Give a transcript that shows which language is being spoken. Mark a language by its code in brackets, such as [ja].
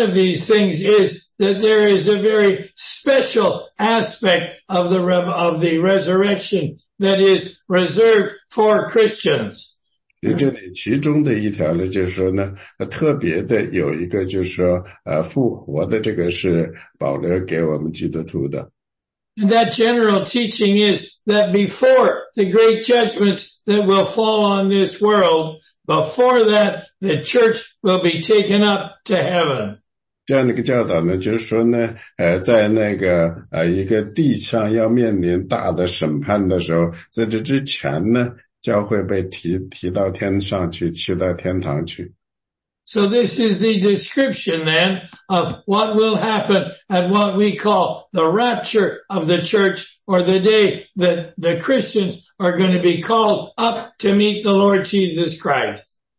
[en] one of these things is that there is a very special aspect of the resurrection that is reserved for Christians. [zh] 这里其中的一条呢，就是说呢，特别的有一个，就是说，复活的这个是保留给我们基督徒的。 [en] And that general teaching is that before the great judgments that will fall on this world, before that, the church will be taken up to heaven. [zh] 这样的一个教导呢，就是说呢，在那个一个地上要面临大的审判的时候，在这之前呢，教会被提到天上去，去到天堂去。 [en] So this is the description then of what will happen at what we call the rapture of the church, or the day that the Christians are going to be called up to meet the Lord Jesus Christ.